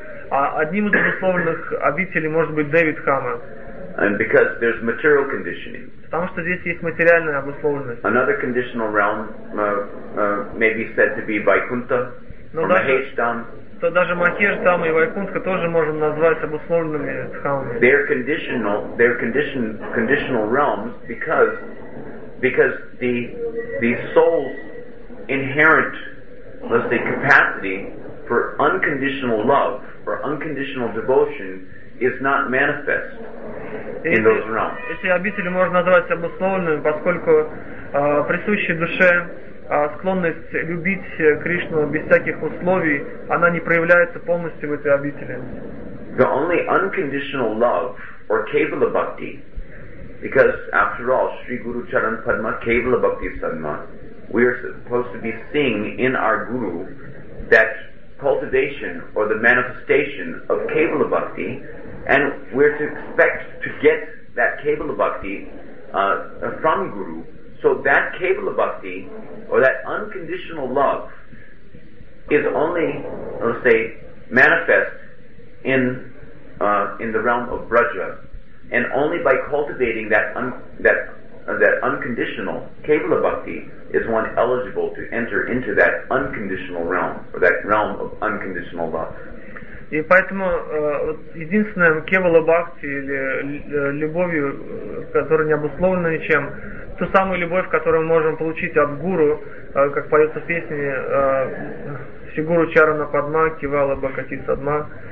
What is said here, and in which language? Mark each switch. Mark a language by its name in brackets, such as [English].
[Russian] А одним из обусловленных обителей может быть Дэвид Хама. [English] And because there's material conditioning. [Russian] Потому что здесь есть материальная обусловленность. [English] Another conditional realm may be said to be Vaikuntha or Mahesh Dham. [Russian] То даже Махеш Дхама и Вайкунтха тоже можем назвать обусловленными дхамами. [English] They're conditional realms because the soul's inherent, let's say, capacity for unconditional love or unconditional devotion is not manifest in those realms. [Russian] Эти обители можно назвать обусловленными, поскольку присущие душе склонность любить Кришну без всяких условий, она не проявляется полностью в этой обители. [English] The only unconditional love or kevala bhakti, because after all, [Sanskrit] Sri Guru Charan Padma kevala bhakti sadma, [English] we are supposed to be seeing in our guru that cultivation or the manifestation of kevala bhakti, and we're to expect to get that kevala bhakti from guru. So that kevala bhakti, or that unconditional love, is only, let's say, manifest in the realm of braja, and only by cultivating that unconditional kevala bhakti is one eligible to enter into that unconditional realm, or that realm of unconditional love. [Russian] И поэтому единственное кевала бхакти или любовью, которая не обусловлена ничем, ту самую любовь, которую мы можем получить от гуру, как поется в песне Сигуру Чарана Падма, Кивала Бхакати Садма.